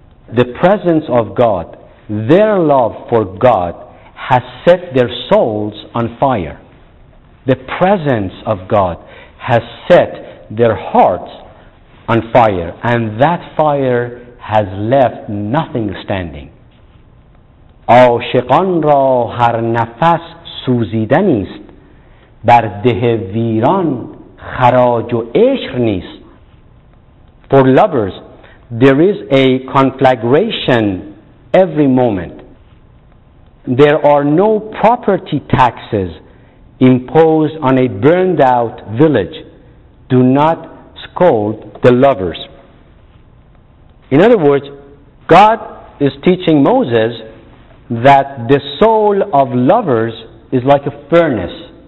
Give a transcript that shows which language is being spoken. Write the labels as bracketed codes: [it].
[en] The presence of God, their love for God, has set their souls on fire. The presence of God has set their hearts on fire, and that fire has left nothing standing. [fa] عاشقان را هر نفس سوزیدنی است بر ده ویران خراج و عشق نیست. [en] For lovers, there is a conflagration every moment. There are no property taxes imposed on a burned out village. Do not scold the lovers. In other words, God is teaching Moses that the soul of lovers is like a furnace.